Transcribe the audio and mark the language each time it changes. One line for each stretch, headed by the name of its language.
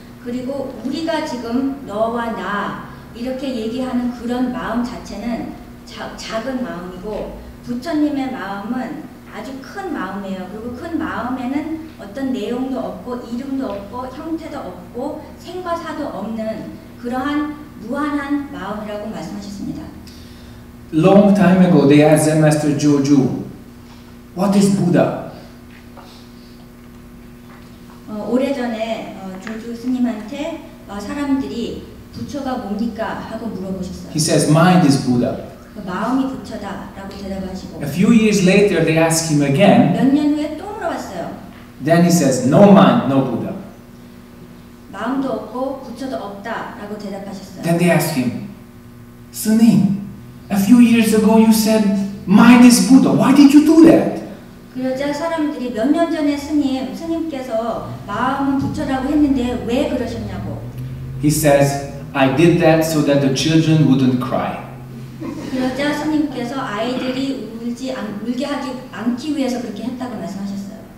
Korean: 그리고 우리가 지금 너와 나 이렇게 얘기하는 그런 마음 자체는 작은 마음이고 부처님의 마음은 아주 큰 마음이에요. 그리고 큰 마음에는 어떤 내용도 없고 이름도 없고 형태도 없고 생과 사도 없는 그러한 무한한 마음이라고 말씀하셨습니다.
English: Long time ago, they asked Zen Master Joju, "What is Buddha?"
Korean: 오래전에 조주 스님한테 사람들이 부처가 뭡니까 하고 물어보셨어요.
English: He says, "Mind is Buddha."
Korean: 마음이 부처다라고 대답하시고.
English: A few years later, they ask him again.
Korean: 몇 년 후에 또 물어봤어요.
English: Then he says, "No mind, no Buddha."
Korean: 마음도 없고 부처도 없다라고 대답하셨어요.
English: Then they ask him, "스님, a few years ago you said mind is Buddha. Why did you do that?"
Korean: 그러자 사람들이 몇 년 전에 스님께서 마음은 부처라고 했는데 왜 그러셨냐고.
English: He says, "I did that so that the children wouldn't cry."
Korean: 그러자 스님께서 아이들이 울게 하지 않기 위해서 그렇게 했다고 말씀하셨어요.